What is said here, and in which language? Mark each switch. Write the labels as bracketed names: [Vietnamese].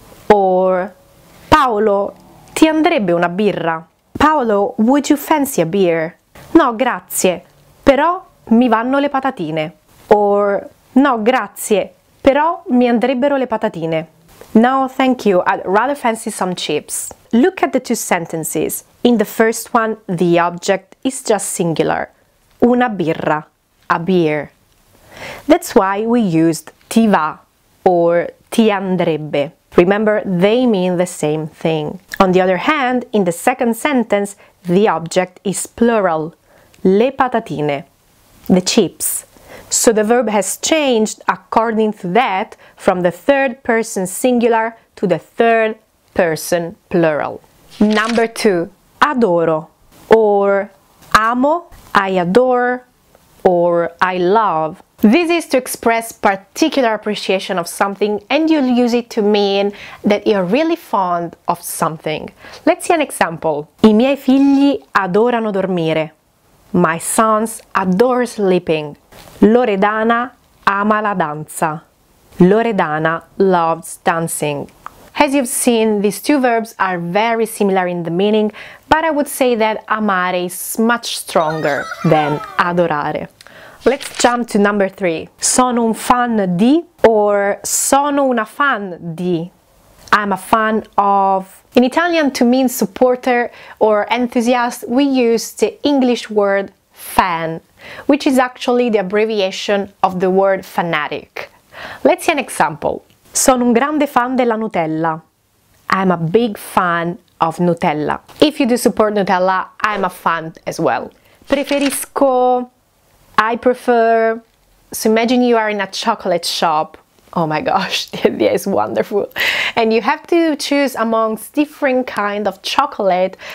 [Italian] Or Paolo, ti andrebbe una birra? [English] Paolo, would you fancy a beer? [Italian] No, grazie. Però mi vanno le patatine. Or no, grazie. Però mi andrebbero le patatine. [English] No, thank you. I'd rather fancy some chips. Look at the 2 sentences. In the first one, the object is just singular. [Italian] Una birra. [English] A beer. That's why we used ti va or ti andrebbe. Remember, they mean the same thing. On the other hand, in the second sentence, the object is plural. Le patatine, the chips. So the verb has changed according to that from the third person singular to the third person plural. Number 2. Adoro or amo, I adore or I love. This is to express particular appreciation of something and you'll use it to mean that you're really fond of something. Let's see an example. [Italian] I miei figli adorano dormire. [English] My sons adore sleeping. [Italian] Loredana ama la danza. [English] Loredana loves dancing. As you've seen, these 2 verbs are very similar in the meaning, but I would say that amare is much stronger than adorare. Let's jump to number 3. [Italian] Sono un fan di or sono una fan di. [English] I'm a fan of. In Italian, to mean supporter or enthusiast, we use the English word fan, which is actually the abbreviation of the word fanatic. Let's see an example. [Italian] Sono un grande fan della Nutella. [English] I'm a big fan of Nutella. If you do support Nutella, I'm a fan as well. Preferisco, I prefer. So imagine you are in a chocolate shop. Oh my gosh, the idea is wonderful. And you have to choose amongst different kind of chocolate.